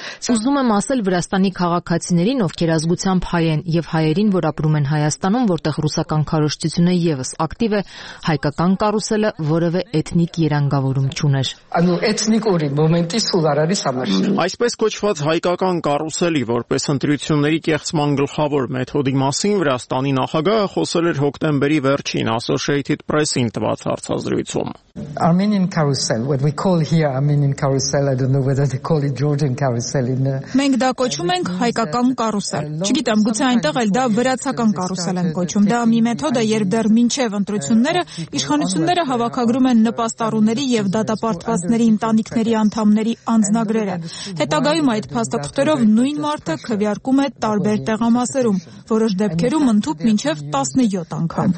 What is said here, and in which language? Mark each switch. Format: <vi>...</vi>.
<hy>Ուզում եմ ասել Վրաստանի քաղաքացիներին, ովքեր ազգությամբ հայ են և հայերին, որ ապրում են Հայաստանում, որտեղ ռուսական քարոշչությունը ևս ակտիվ է, հայկական կարուսելը որևէ էթնիկ երանգավորում չուներ։ Այսպես կոչված հայկական կարուսելի, որպես ընտրությունների կեղծման գլխավոր մեթոդի մասին Վրաստանի նախագահ Նախագահը խոսել էր հոկտեմբերի վերջին Associated Press-ին տված հարցազրույցում։</hy> <en>Armenian carousel, what we call here Armenian carousel, I don't know whether they call it Georgian carousel in the</en> <hy>Մենք դա կոչում ենք հայկական կարուսել։ Չգիտեմ, գուցե այնտեղ էլ դա վրացական կարուսել են կոչում։ Դա մի մեթոդ է, երբ դեռ մինչև ընտրությունները իշխանությունները հավաքագրում են նպաստառուների եւ դատապարտվածների ընտանիքների անդամների անձնագրերը։ Հետագայում այդ փաստաթղթերով նույն մարդը քվեարկում է տարբեր տեղամասերում, որոշ դեպքերում ընդհանուր մինչև 17 անգամ։</hy>